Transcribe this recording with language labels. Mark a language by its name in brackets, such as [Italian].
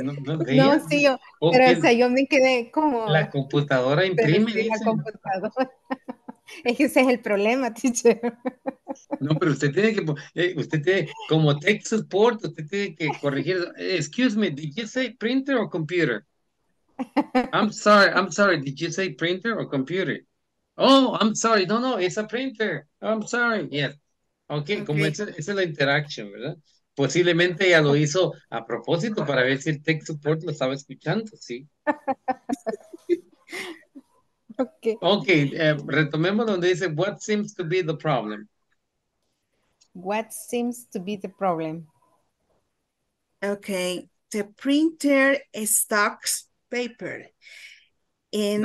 [Spanish] No, sí, yo, pero o sea, yo me quedé como... La computadora imprime, sí, la computadora. Es que ese es el problema, teacher. No, pero usted tiene que, usted tiene, como tech support, usted tiene que corregir. [English] Excuse me, did you say printer or computer? I'm sorry, did you say printer or computer? Oh, I'm sorry, no, no, it's a printer. I'm sorry, yes. Okay, como Okay. [Spanish] esa es la interacción, ¿verdad? Posiblemente ya lo hizo a propósito para ver si el tech support lo estaba escuchando, sí. Okay. Okay, retomemos donde dice, [English] what seems to be the problem? What seems to be the problem? Okay, the printer stocks paper. And